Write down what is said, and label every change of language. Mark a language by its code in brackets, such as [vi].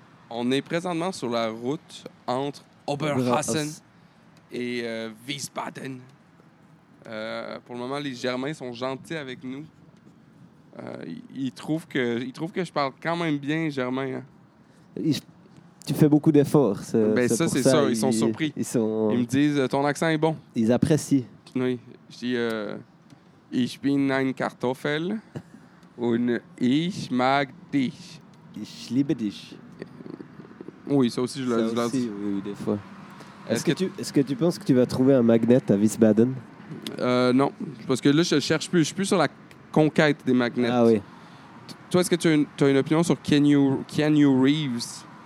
[fr] On est présentement sur la route entre Oberhausen et Wiesbaden. Pour le moment, les Germains sont gentils avec nous. Il trouve que je parle quand même bien germain. Hein. Tu fais beaucoup d'efforts. C'est ça. Ils sont surpris. Ils me disent, ton accent est bon. Ils apprécient. Oui. Je dis, [de] ich bin ein Kartoffel und ich mag dich. Ich liebe dich. [fr] Oui, ça aussi, je l'ai dit. Ça aussi, oui, des fois. Est-ce que tu penses que tu vas trouver un magnet à Wiesbaden? Non, parce que là, je ne cherche plus. Je ne suis plus sur la... conquête des magnets. Ah oui. Toi, est-ce que tu as une opinion sur Keanu Reeves?